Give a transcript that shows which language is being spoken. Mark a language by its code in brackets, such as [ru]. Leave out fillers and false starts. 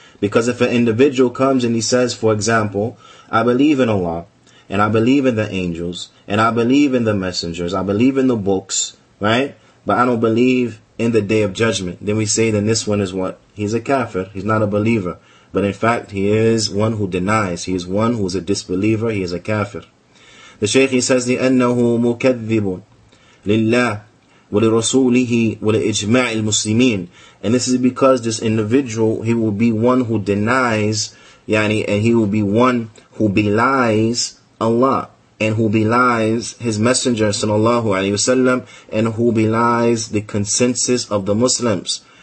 [en] Because if an individual comes and he says, for example, I believe in Allah, and I believe in the angels, and I believe in the messengers, I believe in the books, right? But I don't believe in the Day of Judgment. Then we say, then this one is what? He's a kafir. He's not a believer. But in fact, he is one who denies. He is one who is a disbeliever. He is a kafir. The Shaykh, he says, [ar] لِأَنَّهُ مُكَذِّبٌ لِلَّهِ وَلِرَسُولِهِ وَلِإِجْمَعِ الْمُسْلِمِينَ. [en] And this is because this individual, he will be one who denies, and he will be one who belies Allah, and who belies His Messenger, sallallahu alayhi wa sallam, and who belies the consensus of the Muslims.